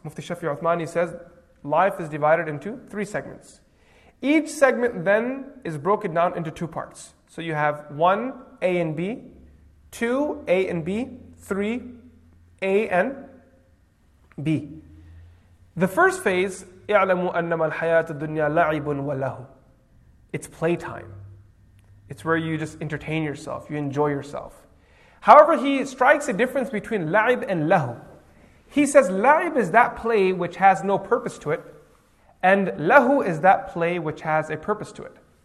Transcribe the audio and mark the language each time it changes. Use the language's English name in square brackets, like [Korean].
[English] Mufti Shafi Uthmani says, life is divided into three segments. Each segment then is broken down into two parts. So you have one, A and B, two, A and B, three, A and B. The first phase, [Arabic] اِعْلَمُوا أَنَّمَا الْحَيَاةُ الدُّنْيَا لَعِبٌ وَلَهُ. [English] It's playtime. It's where you just entertain yourself, you enjoy yourself. However, he strikes a difference between لَعِب and لَهُ. He says, la'ib is that play which has no purpose to it, and lahu is that play which has a purpose to it.